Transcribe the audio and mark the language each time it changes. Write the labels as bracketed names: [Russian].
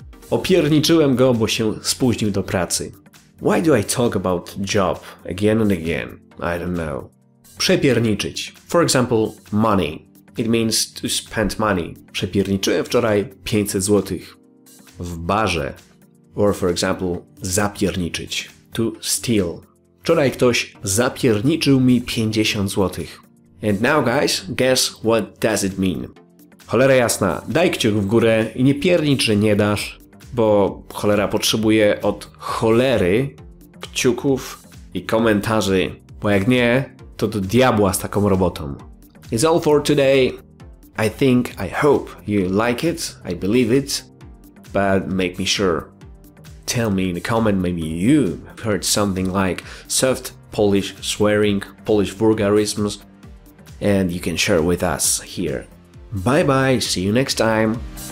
[Polish] Opierniczyłem go, bo się spóźnił do pracy. [English] Why do I talk about job again and again? I don't know. Przepierniczyć, for example, money. It means to spend money. [Polish] Przepierniczyłem wczoraj 500 zł. W barze. [English] Or for example, zapierniczyć, to steal. [Polish] Wczoraj ktoś zapierniczył mi 50 zł. [English] And now guys, guess what does it mean? [Polish] Cholera jasna, daj kciuk w górę i nie piernicz, że nie dasz, bo cholera potrzebuje od cholery kciuków i komentarzy, bo jak nie, to do diabła z taką robotą. [English] It's all for today. I think, I hope you like it, I believe it, but make me sure. Tell me in the comment, maybe you heard something like soft Polish swearing, Polish vulgarisms, and you can share with us here. Bye bye, see you next time.